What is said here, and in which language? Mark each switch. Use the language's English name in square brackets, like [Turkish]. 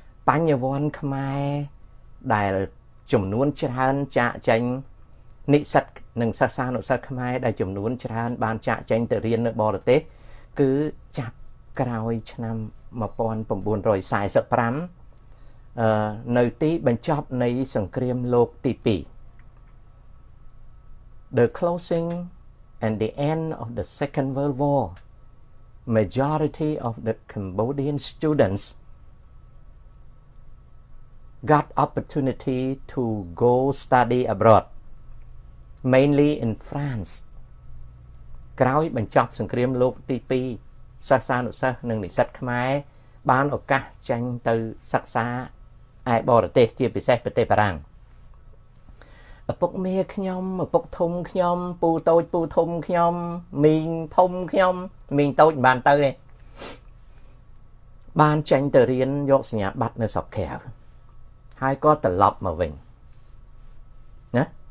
[Khmer] បញ្ញវន្តខ្មែរដែលចំនួនច្រើនចាក់ចេញនិស្សិតនិងសិស្សានុសិស្សខ្មែរដែលចំនួនច្រើនបានចាក់ចេញទៅរៀននៅបរទេសគឺចាប់ក្រោយឆ្នាំ1945នៅទីបញ្ចប់នៃសង្គ្រាមលោកទី2 [English] The closing and the end of the Second World War, majority of the Cambodian students got opportunity to go study abroad, mainly in France. [Khmer] ក្រោយបញ្ចប់សង្គ្រាមលោកទី2សិស្សានុសិស្សនិងនិស្សិតខ្មែរបានឱកាសចេញទៅសិក្សាឯបរទេសជាពិសេសប្រទេសបារាំងឪពុកមីខ្ញុំឪពុកធំខ្ញុំពូតូចពូធំខ្ញុំមីងធំខ្ញុំមីងតូចបានទៅទេបានចេញទៅរៀនយកសញ្ញាបត្រនៅស្រុកខាវហើយក៏ត្រឡប់មកវិញណា